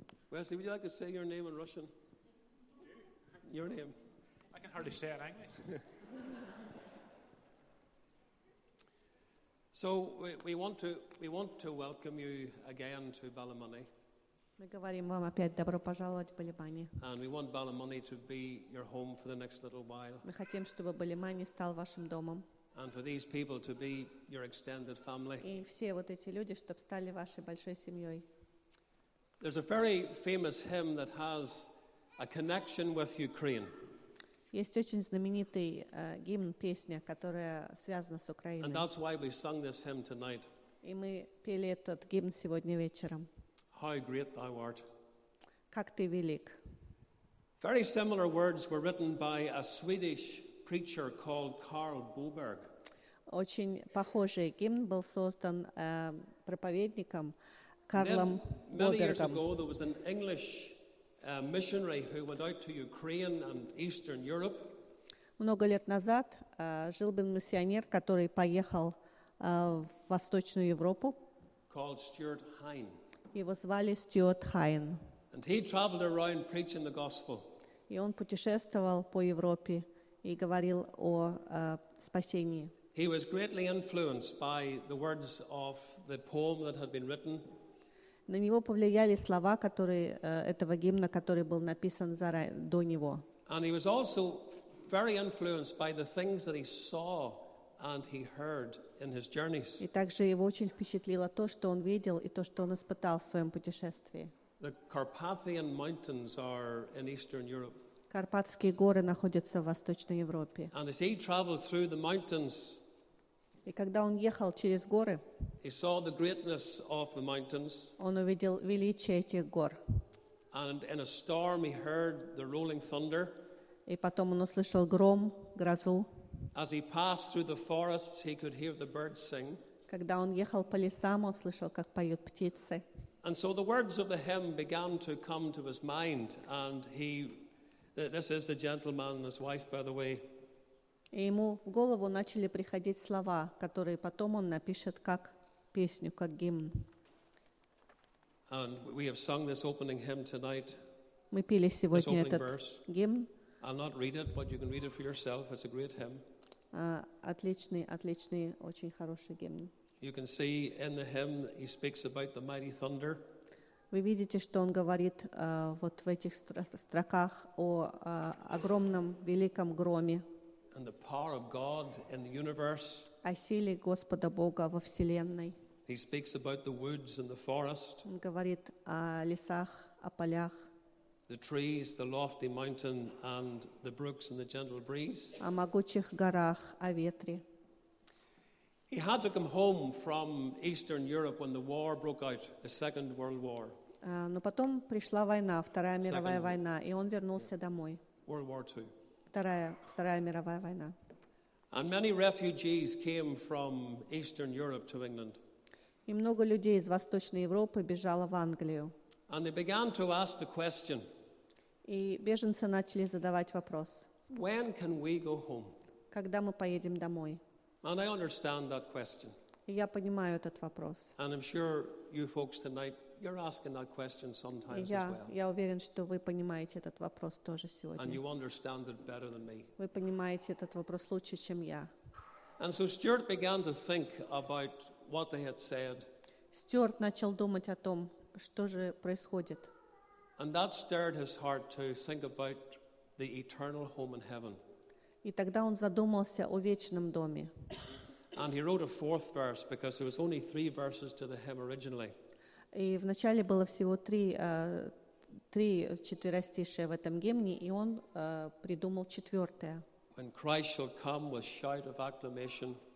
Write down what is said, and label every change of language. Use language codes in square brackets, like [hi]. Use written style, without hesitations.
[en] Wesley, would you like to say your name in Russian? Your name. I can hardly say it in English. So we want to welcome you again to Balamani. [ru] Мы говорим вам опять добро пожаловать в Балимани. [en] And we want Balamani to be your home for the next little while. [ru] Мы хотим, чтобы Балимани стал вашим домом. [en] And for these people to be your extended family. [ru] И все вот эти люди, чтобы стали вашей большой семьей. [en] There's a very famous hymn that has a connection with Ukraine. [ru] Есть очень знаменитый гимн, песня, которая связана с Украиной. [en] And that's why we sung this hymn tonight. [ru] И мы пели этот гимн сегодня вечером. [en] How great thou art. [ru] Как ты велик. [en] Very similar words were written by a Swedish preacher called Carl Boberg. [ru] Очень похожий гимн был создан проповедником Карлом [en] Many years ago, there was an English missionary who went out to Ukraine and Eastern Europe. [ru] Много лет назад жил был миссионер, который поехал в Восточную Европу. [en] Called Stuart Hine. [ru] Его звали Стюарт Хайн. [en] And he traveled around preaching the gospel. [ru] И он путешествовал по Европе и говорил о спасении. [en] He was greatly influenced by the words of the poem that had been written. [ru] На него повлияли слова, которые этого гимна, который был написан до него. [en] And he was also very influenced by the things that he saw and he heard in his journeys. [ru] И также его очень впечатлило то, что он видел и то, что он испытал в своем путешествии. [en] The Carpathian Mountains are in Eastern Europe. [ru] Карпатские горы находятся в Восточной Европе. [en] And as he traveled through the mountains, [ru] И когда он ехал через горы, [en] he saw the greatness of the mountains, [ru] он увидел величие этих гор. [en] And in a storm he heard the rolling thunder. [ru] И потом он услышал гром, грозу. [en] As he passed through the forests, he could hear the birds sing. [ru] Когда он ехал по лесам, он слышал, как поют птицы. [en] And so the words of the hymn began to come to his mind, and he, this is the gentleman and his wife, by the way. [ru] И ему в голову начали приходить слова, которые потом он напишет как песню, как гимн. [en] And we have sung this opening hymn tonight. [ru] Мы пели сегодня этот гимн. [en] I'll not read it, but you can read it for yourself. It's a great hymn. [ru] Отличный, очень хороший гимн. [en] You can see in the hymn he speaks about the mighty thunder. [ru] Вы видите, что он говорит вот в этих строках о огромном, великом громе. [en] And the power of God in the universe. [ru] О силе Господа Бога во вселенной. [en] He speaks about the woods and the forest. [ru] Он говорит о лесах, о полях. [en] The trees, the lofty mountain, and the brooks and the gentle breeze. [ru] О могучих горах, о ветре. [en] He had to come home from Eastern Europe when the war broke out, the Second World War. [ru] Но потом пришла война, Вторая мировая война, и он вернулся домой. [en] World War II. [ru] Вторая мировая война. [en] And many refugees came from Eastern Europe to England. [ru] И много людей из Восточной Европы бежало в Англию. [en] And they began to ask the question. [ru] И беженцы начали задавать вопрос. [en] When can we go home? [ru] Когда мы поедем домой? [en] And I understand that question. [ru] И я понимаю этот вопрос. [en] And I'm sure you folks tonight, you're asking that question sometimes as well. [ru] Я уверен, что вы понимаете этот вопрос тоже сегодня. [en] And you understand it better than me. [ru] Вы понимаете этот вопрос лучше, чем я. [en] And so Stuart began to think about what they had said. [ru] Стюарт начал думать о том, что же происходит. [en] And that stirred his heart to think about the eternal home in heaven. [ru] И тогда он задумался о вечном доме. [en] And he wrote a fourth verse because there was only three verses to the hymn originally. [ru] И вначале было всего три-четыре стиши в этом гимне, и он придумал четвертое. [en] When Christ shall come with shout of acclamation.